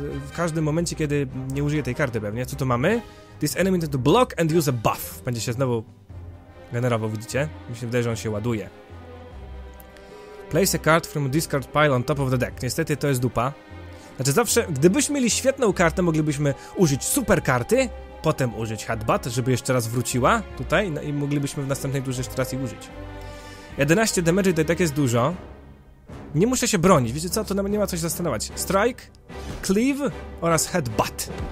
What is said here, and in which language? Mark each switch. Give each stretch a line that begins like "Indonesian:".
Polish: W każdym momencie, kiedy nie użyję tej karty pewnie. Co to mamy?
English: This enemy to block and use a buff.
Polish: Będzie się znowu generował, widzicie? Mi się wydaje, że on się ładuje.
English: Place a card from a discard pile on top of the deck.
Polish: Niestety to jest dupa. Znaczy zawsze, gdybyśmy mieli świetną kartę, moglibyśmy użyć super karty, potem użyć headbutt, żeby jeszcze raz wróciła tutaj, no i moglibyśmy w następnej duży jeszcze raz jej użyć. 11 damage to i tak jest dużo. Nie muszę się bronić, wiecie co? To nie ma co się zastanawiać. Strike, cleave oraz headbutt.